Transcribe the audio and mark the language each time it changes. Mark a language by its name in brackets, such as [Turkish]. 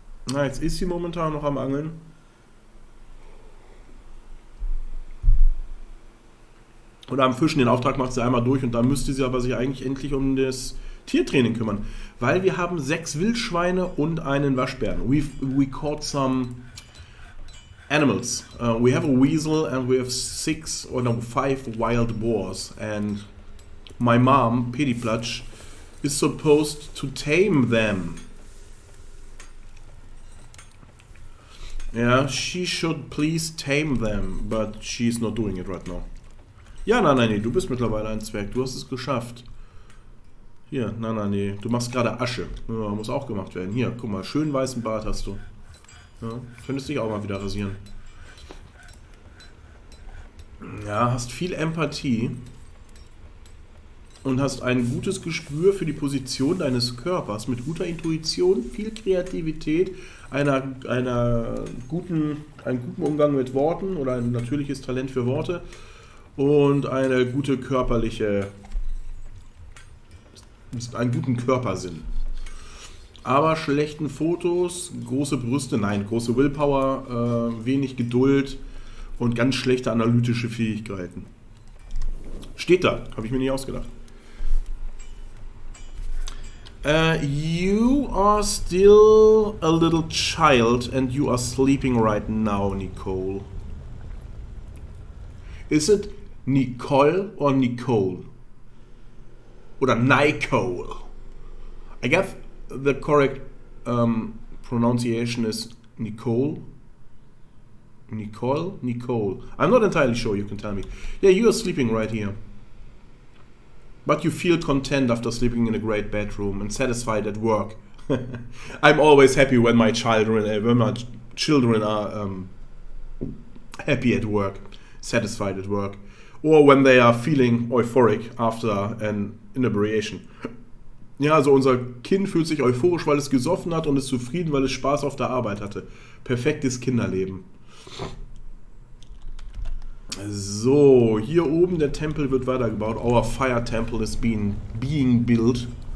[German] Na, jetzt ist sie momentan noch am Angeln. Und am Fischen, den Auftrag macht sie einmal durch und dann müsste sie aber sich eigentlich endlich um das Tiertraining kümmern, weil wir haben 6 Wildschweine und einen Waschbären. [English] We caught some animals. We have a weasel and we have 5 wild boars. And my mom, Pedi Platsch, is supposed to tame them. Yeah, she should please tame them, but she's not doing it right now. [German] Ja, nein, du bist mittlerweile ein Zwerg, du hast es geschafft. Hier, nein, du machst gerade Asche. Ja, muss auch gemacht werden. Hier, guck mal, schönen weißen Bart hast du. Ja, könntest dich auch mal wieder rasieren. Ja, hast viel Empathie. Und hast ein gutes Gespür für die Position deines Körpers. Mit guter Intuition, viel Kreativität, einem guten Umgang mit Worten oder ein natürliches Talent für Worte. Und eine gute körperliche... einen guten Körpersinn. Aber schlechten Fotos, große Brüste, nein, große Willpower, wenig Geduld und ganz schlechte analytische Fähigkeiten. Steht da, habe ich mir nicht ausgedacht. [English] You are still a little child and you are sleeping right now, Nicole. Is it Nicole or Nicole? Oder Nicole? I guess the correct pronunciation is Nicole. Nicole? Nicole. I'm not entirely sure, you can tell me. Yeah, you are sleeping right here. But you feel content after sleeping in a great bedroom and satisfied at work. I'm always happy when my children, are happy at work, satisfied at work. Or when they are feeling euphoric after an inebriation. [German] Ja, also unser Kind fühlt sich euphorisch, weil es gesoffen hat und ist zufrieden, weil es Spaß auf der Arbeit hatte. Perfektes Kinderleben. So, hier oben der Tempel wird weitergebaut. [English] Our fire temple is being built.